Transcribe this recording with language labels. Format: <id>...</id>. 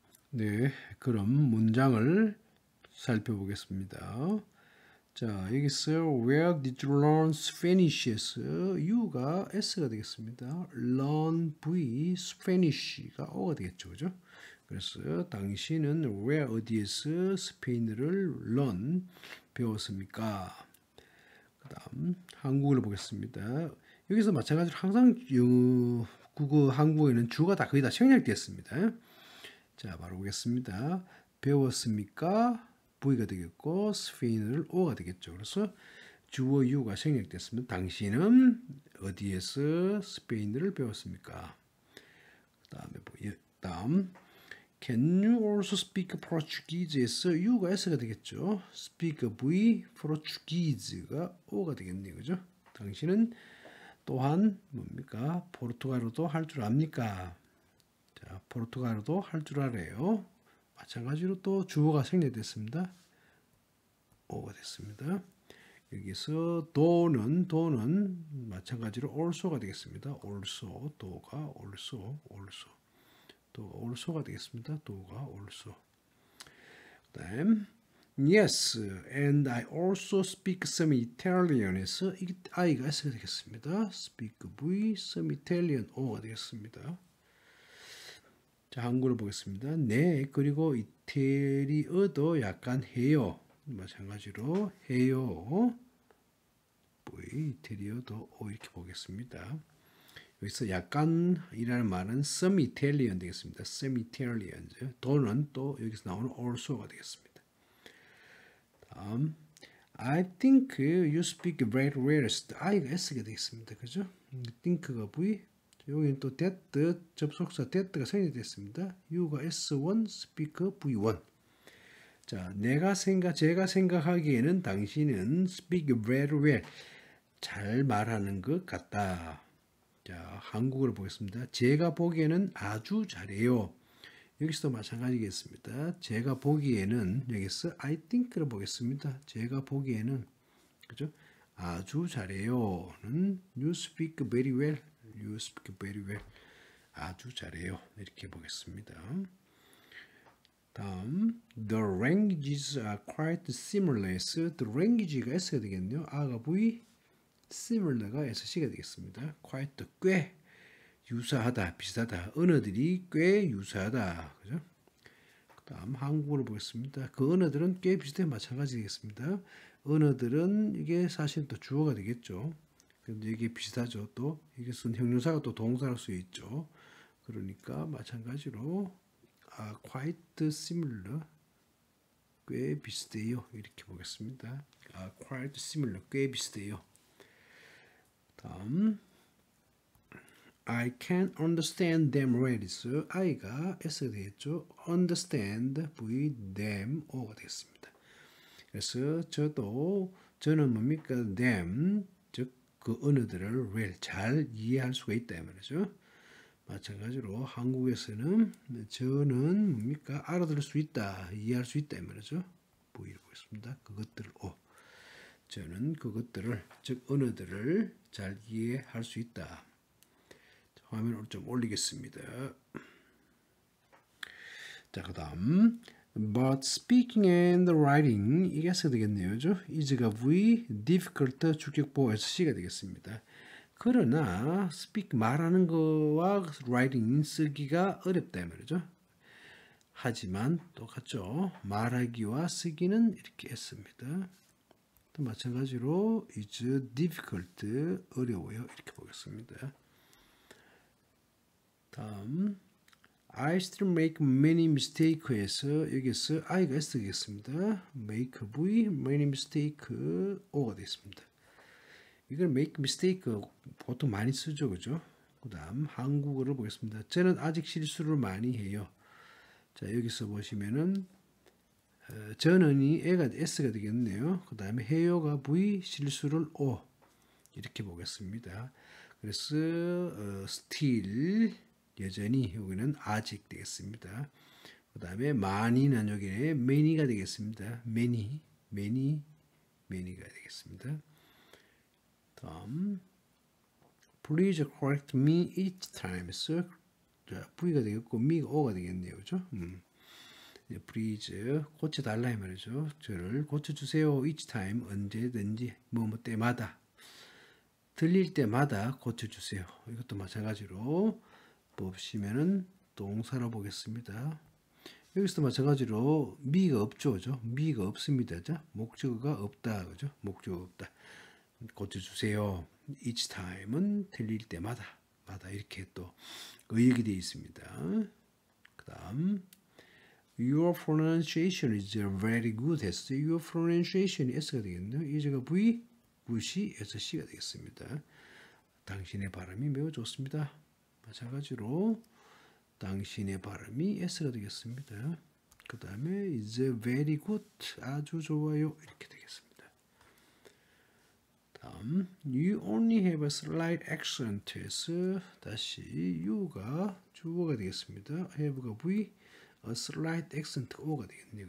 <ko>네, 그럼 문장을 살펴보겠습니다. 자, 여기서</ko> <en>Where did you learn Spanish?</en> <ko>U가 S가 되겠습니다. Learn V, Spanish가 O가 되겠죠, 그죠? 그래서 당신은 Where 어디에서 스페인어를 learn 배웠습니까? 그 다음 한국어를 보겠습니다. 여기서 마찬가지로 항상 국어 한국어에는 주가 다 거의 다 생략됐습니다. 자, 바로 보겠습니다. 배웠습니까? V가 되겠고 스페인어를 O가 되겠죠. 그래서 주어 U가 생략됐습니다. 당신은 어디에서 스페인어를 배웠습니까? 그 다음에 다음</ko> <en>Can you also speak Portuguese?</en> <ko>U가 S가 되겠죠. Speak V, Portuguese가 O가 되겠네요. 그죠? 당신은 또한 뭡니까? 포르투갈어도 할 줄 압니까? 자, 포르투갈어도 할 줄 알아요. 마찬가지로 또 주어가 생략됐습니다. O가 됐습니다. 여기서 도는 마찬가지로 also가 되겠습니다. Also, 도가 also. 또 올소가 되겠습니다. 도가 올소. 그 다음</ko> <en>Yes, and I also speak some Italian.</en> <ko>에서 I가 S가 되겠습니다. Speak V,</ko> <en>some Italian</en> <ko>O가 되겠습니다. 자, 한국어 보겠습니다. 네, 그리고 이태리어도 약간 해요. 마찬가지로 해요. V, 이태리어도 O 이렇게 보겠습니다. 여기서 약간이라는 말은</ko> <en>some Italian</en> <ko>되겠습니다.</ko> <en>Some Italian.</en> <ko>또는 또 여기서 나오는 also가 되겠습니다. 다음,</ko> <en>I think you speak very well.</en> <ko>I가 S가 되겠습니다. 그죠? Think가 V. 여기는 또 that, 접속사 that가 생략됐습니다. U가 S1, speak V1. 자, 제가 생각하기에는 당신은</ko> <en>speak very well.</en> <ko>잘 말하는 것 같다. 자, 한국어를 보겠습니다. 제가 보기에는 아주 잘해요. 여기서도 마찬가지겠습니다. 제가 보기에는 여기서</ko> <en>I think</en> <ko>를 보겠습니다. 제가 보기에는 그죠?</ko> <en>아주 잘해요는 You speak very well. You speak very well.</en> <ko>아주 잘해요. 이렇게 보겠습니다. 다음</ko> <en>The languages are quite similar.</en> <ko>The language가 S가 되겠네요. R가 V. similar가 SC가 되겠습니다. quite, 꽤 유사하다, 비슷하다. 언어들이 꽤 유사하다. 그죠? 다음 한국어를 보겠습니다. 그 언어들은 꽤 비슷해 마찬가지겠습니다. 언어들은 이게 사실 또 주어가 되겠죠. 근데 이게 비슷하죠. 또 이게 쓴 형용사가 또 동사일 수 있죠. 그러니까 마찬가지로</ko> <en>are quite similar.</en> <ko>꽤 비슷해요. 이렇게 보겠습니다.</ko> <en>are quite similar.</en> <ko>꽤 비슷해요. 다음</ko> <en>I can understand them well.</en> <ko>So, I가 S가 되겠죠. Understand with them O가 되겠습니다. 그래서 저도 저는 뭡니까? them 즉 그 언어들을 well 잘 이해할 수가 있다 말이죠. 마찬가지로 한국에서는 저는 뭡니까? 알아들을 수 있다 이해할 수 있다 말이죠. 보이고 있습니다. 그것들을 O 저는 그것들을 즉 언어들을 잘 이해할 수 있다. 화면을 좀 올리겠습니다. 자, 그 다음</ko> <en>But speaking and writing</en> <ko>이게 S가 되겠네요. 그렇죠? is가 V, difficult 주격보호에서 C가 되겠습니다. 그러나 speak 말하는 거와 writing 쓰기가 어렵다 말이죠. 하지만 똑같죠. 말하기와 쓰기는 이렇게 S입니다. 또 마찬가지로</ko> <en>is difficult</en> <ko>어려워요. 이렇게 보겠습니다. 다음</ko> <en>I still make many mistakes</en> <ko>해서 여기서 I가 S 되겠습니다. make V, many mistakes O가 되겠습니다. 이걸 make mistake 보통 많이 쓰죠. 그죠? 그 다음 한국어를 보겠습니다. 저는 아직 실수를 많이 해요. 자 여기서 보시면은 저는이 애가 S가 되겠네요. 그 다음에 해요가 V, 실수를 O 이렇게 보겠습니다. 그래서 still 여전히 여기는 아직 되겠습니다. 그 다음에 많이는 여기에 many가 되겠습니다. many가 되겠습니다. 다음</ko> <en>please correct me each time.</en> <ko>So, v가 되겠고 me가 o가 되겠네요. 그죠? please 고쳐달라 이 말이죠. 저를 고쳐주세요. each time 언제든지 뭐뭐 때마다 들릴 때마다 고쳐주세요. 이것도 마찬가지로 보시면은 동사로 보겠습니다. 여기서도 마찬가지로 미가 없죠. 그죠? 미가 없습니다. 자, 목적어가 없다. 그죠? 목적어가 없다. 고쳐주세요. each time은 틀릴 때마다. 마다 이렇게 또 의역이 되어 있습니다. 그 다음</ko> <en>Your pronunciation is very good. Your pronunciation is S가 되겠네요.</en> <ko>이제가 V, 굿이 S가 되겠습니다. 당신의 발음이 매우 좋습니다. 마찬가지로 당신의 발음이 S가 되겠습니다. 그 다음에</ko> <en>is very good</en> <ko>아주 좋아요 이렇게 되겠습니다. 다음</ko> <en>you only have a slight accent</en> <ko>에서 다시 you가 주어가 되겠습니다. have가 V, a slight accent O가 되겠네요.</ko>